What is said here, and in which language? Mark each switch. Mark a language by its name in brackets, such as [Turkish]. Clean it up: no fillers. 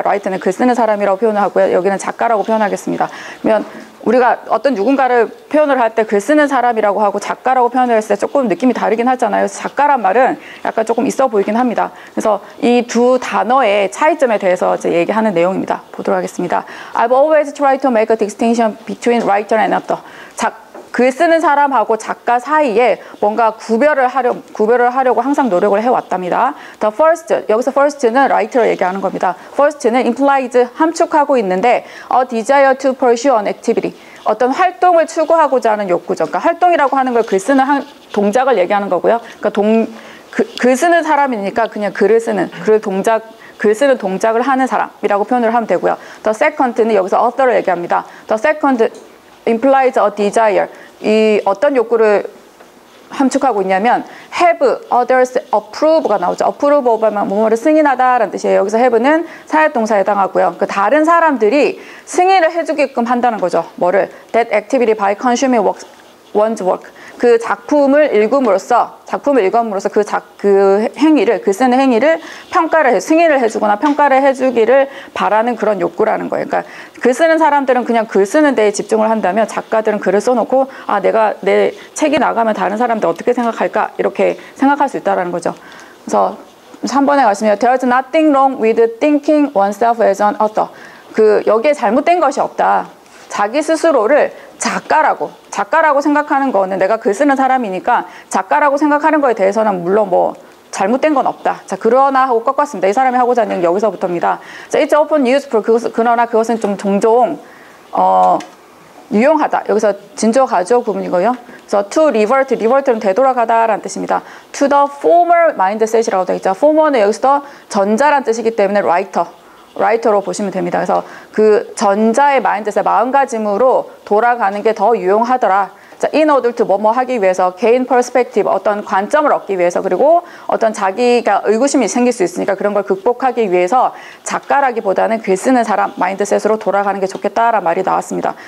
[Korean] writer는 글 쓰는 사람이라고 표현을 하고요. 여기는 작가라고 표현하겠습니다. 그러면 우리가 어떤 누군가를 표현을 할 때 글 쓰는 사람이라고 하고 작가라고 표현을 했을 때 조금 느낌이 다르긴 하잖아요. 그래서 작가란 말은 약간 조금 있어 보이긴 합니다. 그래서 이 두 단어의 차이점에 대해서 이제 얘기하는 내용입니다. 보도록 하겠습니다. [English] I've always tried to make a distinction between writer and author. [Korean] 글 쓰는 사람하고 작가 사이에 뭔가 구별을 하려고 항상 노력을 해왔답니다. [English] The first, [Korean] 여기서 [English] first는 writer를 [Korean] 얘기하는 겁니다. [English] First는 implies [Korean] 함축하고 있는데 [English] a desire to pursue an activity. [Korean] 어떤 활동을 추구하고자 하는 욕구죠. 그러니까 활동이라고 하는 걸 글 쓰는 동작을 얘기하는 거고요. 그러니까 글 쓰는 사람이니까 그냥 글을 쓰는, 글 쓰는 동작을 하는 사람이라고 표현을 하면 되고요. [English] The second는 [Korean] 여기서 [English] author를 [Korean] 얘기합니다. [English] The second, implies a desire. [Korean] 이 어떤 욕구를 함축하고 있냐면 [English] have others approve [Korean] 가 나오죠. approve of 하면 뭐뭐를 승인하다라는 뜻이에요. 여기서 have는 사역동사에 해당하고요. 그 다른 사람들이 승인을 해주게끔 한다는 거죠. 뭐를? [English] That activity by consuming works, one's work. [Korean] 그 작품을 읽음으로써 그 행위를 그 쓰는 행위를 평가를 해, 승인을 해주거나 평가를 해주기를 바라는 그런 욕구라는 거예요. 그러니까 글 쓰는 사람들은 그냥 글 쓰는 데에 집중을 한다면 작가들은 글을 써놓고 아 내가 내 책이 나가면 다른 사람들 어떻게 생각할까 이렇게 생각할 수 있다라는 거죠. 그래서 3번에 가시면 [English] There's nothing wrong with thinking oneself as an author. [Korean] 그 여기에 잘못된 것이 없다. 자기 스스로를 작가라고 생각하는 거는 내가 글 쓰는 사람이니까 작가라고 생각하는 거에 대해서는 물론 뭐 잘못된 건 없다. 자, 그러나 하고 꺾었습니다. 이 사람이 하고자 하는 여기서부터입니다. [English] 자, it's often useful. [Korean] 그러나 그것은 좀 종종 유용하다. 여기서 진저 가져 부분이고요. 그래서 to revert, revert는 되돌아가다라는 뜻입니다. [English] to the former mindset [Korean] 이라고 되어 있죠. former는 여기서 전자란 뜻이기 때문에 라이터로 보시면 됩니다. 그래서 그 전자의 마인드셋, 마음가짐으로 돌아가는 게 더 유용하더라. 자, [English] in order to [Korean] 뭐뭐 하기 위해서, [English] gain perspective, [Korean] 어떤 관점을 얻기 위해서, 그리고 어떤 자기가 의구심이 생길 수 있으니까 그런 걸 극복하기 위해서 작가라기보다는 글 쓰는 사람 마인드셋으로 돌아가는 게 좋겠다라는 말이 나왔습니다.